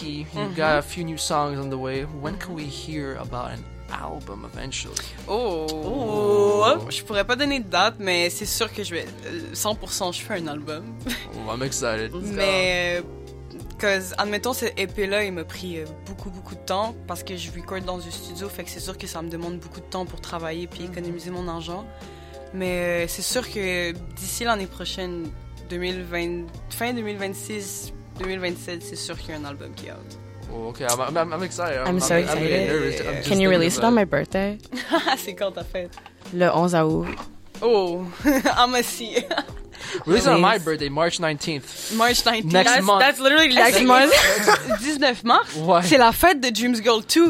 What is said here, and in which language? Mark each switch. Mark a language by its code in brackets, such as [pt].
[en] You got a few new songs on the way. When can we hear about an album eventually? Oh! [fr] Je pourrais pas donner de date, mais c'est sûr que je vais. 100% je fais un album. [en] Oh, I'm excited. [fr] Mais. Parce que, admettons, cet EP-là, il m'a pris beaucoup, beaucoup de temps parce que je record dans un studio, fait que c'est sûr que ça me demande beaucoup de temps pour travailler puis économiser mon argent. Mais c'est sûr que d'ici l'année prochaine, fin 2026, 2027, c'est sûr qu'il y a un album qui est out. [en] Oh, okay, I'm excited. I'm so excited. I'm really nervous. I'm Can you release it on my birthday? [fr] C'est quand ta fête? Le 11 août. [en] Oh, I'm a see. Release on my birthday, March 19th. March 19th. Next month. That's literally next month. [fr] 19 mars. [en] What? [fr] C'est la fête de Dreams Girl 2.